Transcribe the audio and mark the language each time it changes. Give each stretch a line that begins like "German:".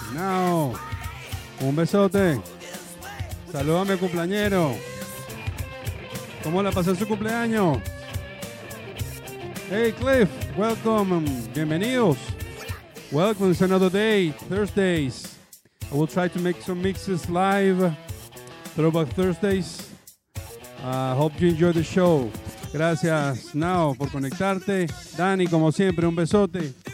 English: Now.
Spanish: Un besote. Salúdame, cumpleañero. ¿Cómo la pasó en su cumpleaños?
English: Hey Cliff, welcome,
Spanish: bienvenidos.
English: Welcome, it's another day, Thursdays. I will try to make some mixes live, Throwback Thursdays. Hope you enjoy the show.
Spanish: Gracias, Nao, por conectarte. Dani, como siempre, un besote.